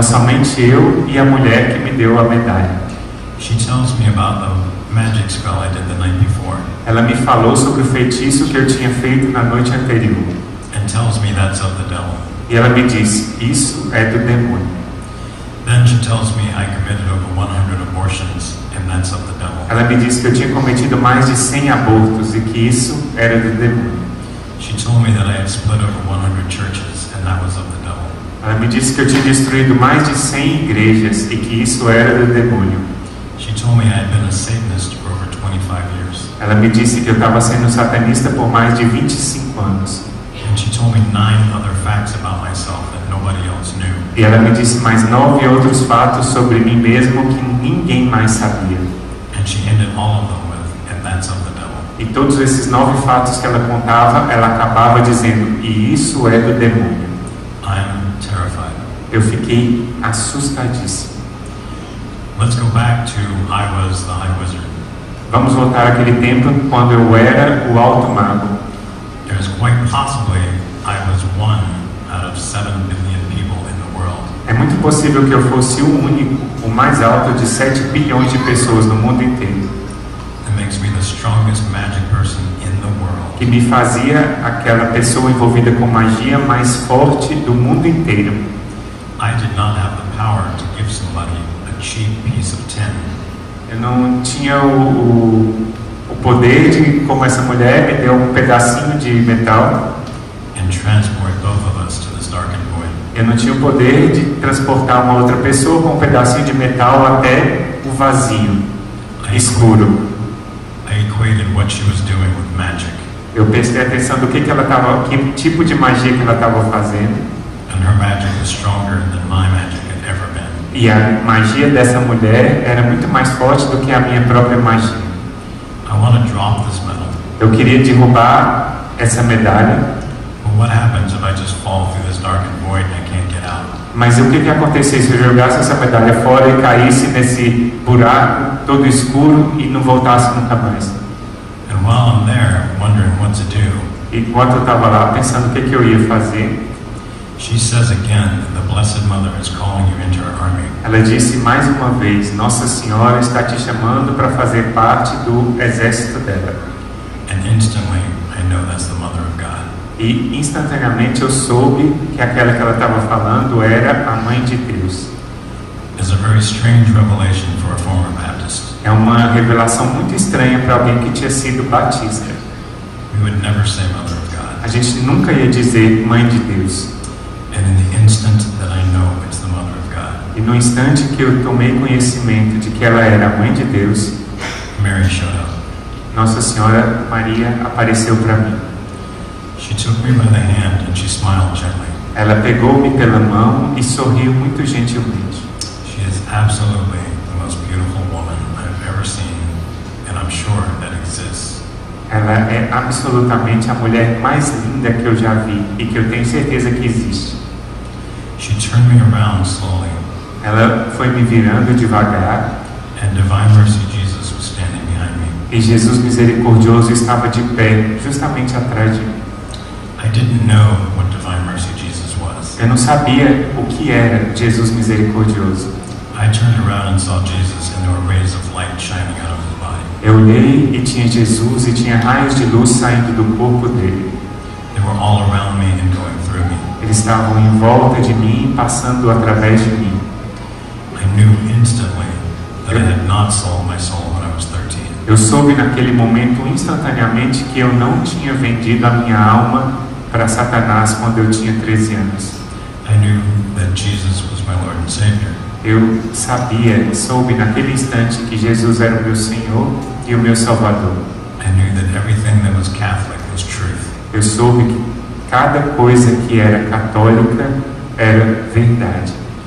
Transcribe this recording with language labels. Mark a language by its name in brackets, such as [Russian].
[Portuguese] somente eu e a mulher que me deu a medalha. [English] She tells me about the magic spell I did the night before. [Portuguese] Ela me falou sobre o feitiço que eu tinha feito na noite anterior. [English] And tells me that's of the devil. [Portuguese] E ela me diz, isso é do demônio. [English] Then she tells me I committed over 100 abortions, and that's of the devil. [Portuguese] Ela me disse que eu tinha cometido mais de 100 abortos e que isso era do demônio. [English] She told me that I had split over 100 churches, and that was of the devil. [Portuguese] Ela me disse que eu tinha destruído mais de 100 igrejas e que isso era do demônio. [English] She told me I had been a Satanist for over 25 years. [Portuguese] Ela me disse que eu estava sendo satanista por mais de 25 anos. [English] And she told me 9 other facts about myself that nobody else knew. [Portuguese] E ela me disse mais 9 outros fatos sobre mim mesmo que ninguém mais sabia. [English] And she ended all of them with, and that's of the devil. [Portuguese] E todos esses 9 fatos que ela contava, ela acabava dizendo, e isso é do demônio. [English] I'm terrified. [Portuguese] Eu fiquei assustadíssimo. [English] Let's go back to I was the high wizard. [Portuguese] Vamos voltar àquele tempo quando eu era o alto mago. [English] There's quite possibly I was one out of 7 billion people in the world. [Portuguese] É muito possível que eu fosse o único, o mais alto de 7 bilhões de pessoas no mundo inteiro. [English] That makes me the strongest magic person in the world. [Portuguese] Que me fazia aquela pessoa envolvida com magia mais forte do mundo inteiro. [English] I did not have the power to give somebody a cheap piece of tin. [Portuguese] Eu não tinha o poder de, como essa mulher, me deu um pedacinho de metal. [English] And transport both of us to this darkened void. [Portuguese] Eu não tinha o poder de transportar uma outra pessoa com um pedacinho de metal até o vazio, escuro. [English] I equated what she was doing with magic. [Portuguese] Eu prestei atenção do que ela tava, que tipo de magia que ela estava fazendo. [English] And her magic was stronger than my magic had ever been. [Portuguese] E a magia dessa mulher era muito mais forte do que a minha própria magia. [English] I want to drop this medal. [Portuguese] Eu queria derrubar essa medalha. [English] But what happens if I just fall through this darkened void and I can't get out? [Portuguese] Mas o que que acontecesse se eu jogasse essa medalha fora e caísse nesse buraco todo escuro e não voltasse nunca mais? [English] And while I'm there, wondering what to do. [Portuguese] Enquanto eu estava lá pensando o que que eu ia fazer. [English] She says again, the Blessed Mother is calling you into her army. [Portuguese] Ela disse mais uma vez, Nossa Senhora está te chamando para fazer parte do exército dela. [English] And instantly, I know that's the Mother of God. [Portuguese] E instantaneamente eu soube que aquela que ela estava falando era a Mãe de Deus. [English] It's a very strange revelation for a former Baptist. [Portuguese] É uma revelação muito estranha para alguém que tinha sido batista. [English] We would never say Mother of God. [Portuguese] A gente nunca ia dizer Mãe de Deus. [English] And in the instant that I know it's the Mother of God. [Portuguese] E no instante que eu tomei conhecimento de que ela era a Mãe de Deus, [English] Mary showed up. [Portuguese] Nossa Senhora Maria apareceu para mim. [English] She took me by the hand and she smiled gently. [Portuguese] Ela pegou-me pela mão e sorriu muito gentilmente. [English] She is absolutely the most beautiful woman I've ever seen, and I'm sure that exists. [Portuguese] Ela é absolutamente a mulher mais linda que eu já vi e que eu tenho certeza que existe. [English] She turned me around slowly. [Portuguese] Ela foi me virando devagar. [English] And divine mercy Jesus was standing behind me. [Portuguese] E Jesus misericordioso estava de pé, justamente atrás de mim. [English] I didn't know what divine mercy Jesus was. [Portuguese] Eu não sabia o que era Jesus misericordioso. [English] I turned around and saw Jesus and there were rays of light shining out of his body. [Portuguese] Eu olhei e tinha Jesus e tinha raios de luz saindo do corpo dele. [English] They were all around me and going through me. [Portuguese] Eles estavam em volta de mim e passando através de mim. [English] I knew instantly that I had not sold my soul when I was 13. [Portuguese] Eu soube naquele momento instantaneamente que eu não tinha vendido a minha alma para Satanás quando eu tinha 13 anos. [English] I knew that Jesus was my Lord and Savior. [Portuguese] Eu sabia, soube naquele instante que Jesus era o meu Senhor e o meu Salvador. [English] I knew that everything that was Catholic was truth. [Portuguese] Eu soube que cada coisa que era católica era verdade.